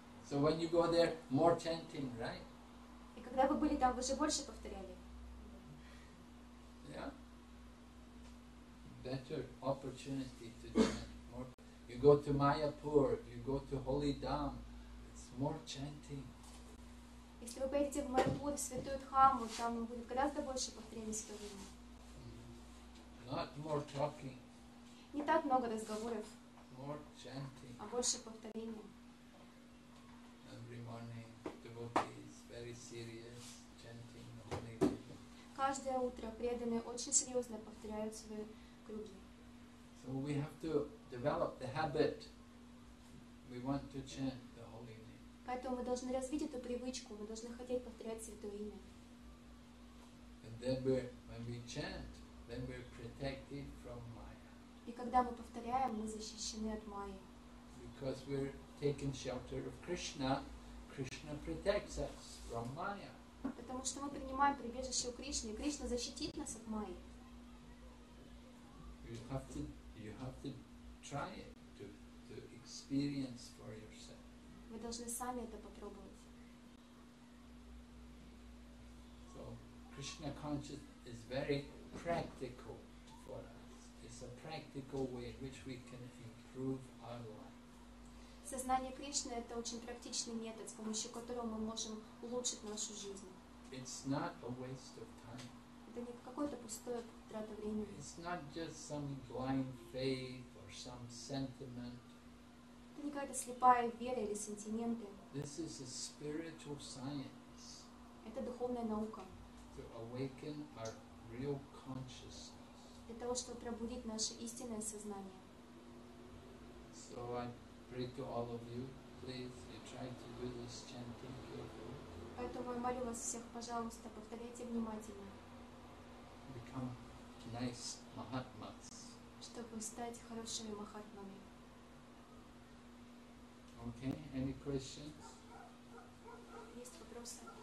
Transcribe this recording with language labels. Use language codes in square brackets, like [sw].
[en] So when you go there, more chanting, right? [ru] И когда вы были там, вы же больше повторяли. [en] Yeah. Better opportunity to chant more. You go to Mayapur, you go to Holy Dham, it's more chanting. [ru] Если вы поедете в Майпур, в Святую Дхаму, там будет гораздо больше повторений исповедания. [en] Not more talking. [ru] Не так много разговоров. [en] More chanting. [ru] А больше повторений. [en] Every morning, devotee is very serious, chanting the Holy Name. [ru] Каждое утро преданные очень серьезно повторяют свои круги. [en] So we have to develop the habit. We want to chant the Holy Name. [ru] Поэтому мы должны развить эту привычку, мы должны хотеть повторять Святое Имя. [en] And then we, when we chant, then we're protected from Maya. [ru] И когда мы повторяем, мы защищены от Майи. [en] Because we're taking shelter of Krishna, Krishna protects us from Maya. [ru] Потому что мы принимаем прибежище у Кришны, и Кришна защитит нас от Майи. [en] You have to try it to experience for yourself. [ru] Вы должны сами это попробовать. [en] So Krishna consciousness is very practical for us. It's a practical way in which we can improve our life. [ru] Сознание Кришны – это очень практичный метод, с помощью которого мы можем улучшить нашу жизнь. [en] It's not a waste of time. [ru] Это не какое-то пустое трата времени. [en] It's not just some blind faith or some sentiment. [ru] Это не какая-то слепая вера или сентименты. [en] This is a spiritual science. [ru] Это духовная наука. [en] To awaken our real consciousness. [ru] Для того, чтобы пробудить наше истинное сознание. [en] So I pray to all of you, please, you try to do this chanting carefully. [ru] Поэтому я молю вас всех, пожалуйста, повторяйте внимательно. [en] Become nice mahatmas. [ru] Чтобы стать хорошими махатмами. [en] Okay, any questions? [ru] Есть вопросы?